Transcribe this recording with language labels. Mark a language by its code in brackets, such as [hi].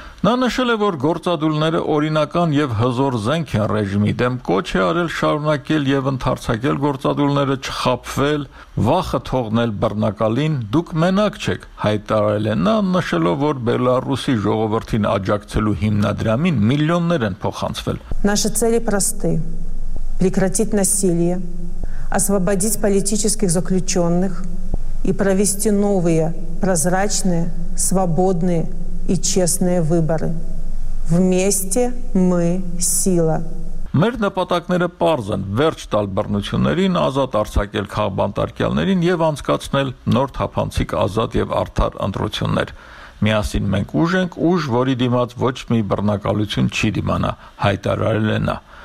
[hy] Նա նշել է, որ գործադուլները օրինական և հզոր զենք են ռեժիմի դեմ, կոչ է արել շարունակել և ընդարձակել գործադուլները, չխապվել, վախը թողնել բռնակալին, դուք մենակ չեք, հայտարարել է նա, նշելով, որ Բելարուսի ժողովրդին աջակցելու հիմնադրամին միլիոններ են փոխանցվել։ [ru] Наши цели просты: прекратить насилие, освободить политических заключённых и провести новые, прозрачные, свободные и честные выборы. Вместе мы сила. [hy] Մեր նպատակները պարզ են՝ վերջ տալ բռնություններին, ազատ արձակել քաղբանտարկյալներին և անցկացնել նոր թափանցիկ ազատ և արդար ընտրություններ։ Միասին մենք ուժ ենք, ուժ, որի դիմաց ոչ մի բռնակալություն չի դիմանա, հայտարարել է նա։